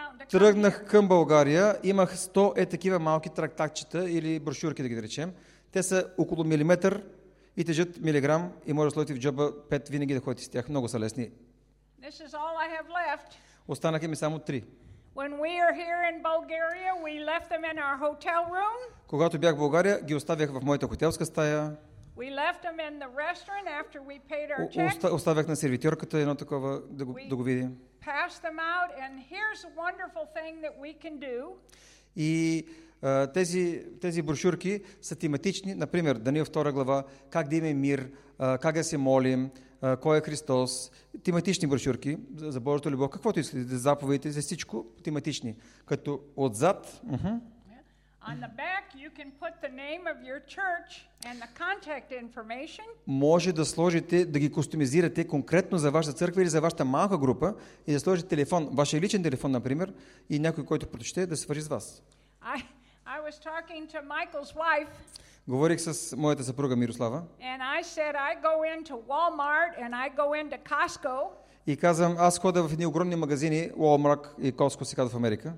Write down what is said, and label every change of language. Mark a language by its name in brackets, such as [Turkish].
[Bulgarian] тръгнах към България, имах 100 такива малки трактакчета или брошюрки, да ги речем. Те са около милиметър и тежат милиграм и може да сложите в джоба 5 винаги да ходите с тях. Много са лесни. [English] This is all I have left. [Bulgarian] Останаха ми само 3. [English] When we are here in Bulgaria, we left them in our hotel room. [Bulgarian] Когато бях в България, ги оставях в моята хотелска стая. [English] We left them in the restaurant after we paid our check. [Bulgarian] Оставях на сервитьорката едно такова да го види. [English] Passed them out, and here's a wonderful thing that we can do. [Bulgarian] И тези брошурки са тематични, например, Даниил 2 глава, как да имаме мир, как да се молим, кой е Христос. Тематични брошурки за Божията любов, каквото искате, за заповедите, за всичко тематични. Като отзад, [English] on the back you can put the name of your church and the contact information. [Bulgarian] Може да сложите, да ги кастомизирате конкретно за вашата църква или за вашата малка група и да сложите телефон, вашия личен телефон, например, и някой, който прочете, да се свържи с вас. [English] I was talking to Michael's wife. [Bulgarian] Говорих с моята съпруга Мирослава. [English] And I said I go into Walmart and I go into Costco. [Bulgarian] И казвам, аз ходя в едни огромни магазини, Walmart и Costco се казва в Америка.